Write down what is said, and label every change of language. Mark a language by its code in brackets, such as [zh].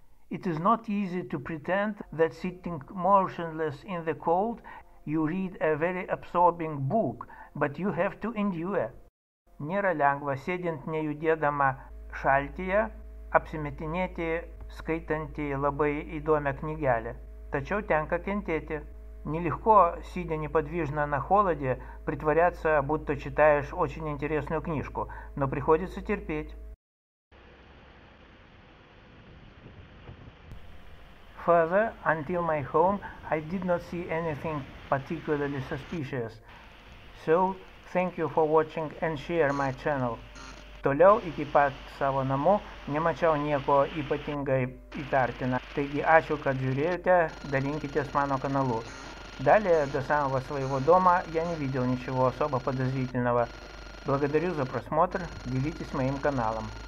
[en] It is not easy to pretend that sitting motionless in the cold, you read a very absorbing book, but you have to endure. [lt] Nėra lengva, sėdint nejudėdama šaltyje, apsimetinėti, skaitantį labai įdomią knygelę. Tačiau tenka kentėti. [ru] Нелегко, сидя неподвижно на холоде, притворяться, будто читаешь очень интересную книжку, но приходится терпеть. [en] Further, until my home, I did not see anything particularly suspicious. So, thank you for watching and share my channel. [lt] Toliau iki pat savo namų nemačiau nieko ypatingai įtartina. Taigi ačiū, kad žiūrėjote, dalinkitės mano kanalu. [ru] Далее, до самого своего дома, я не видел ничего особо подозрительного. Благодарю за просмотр, делитесь моим каналом.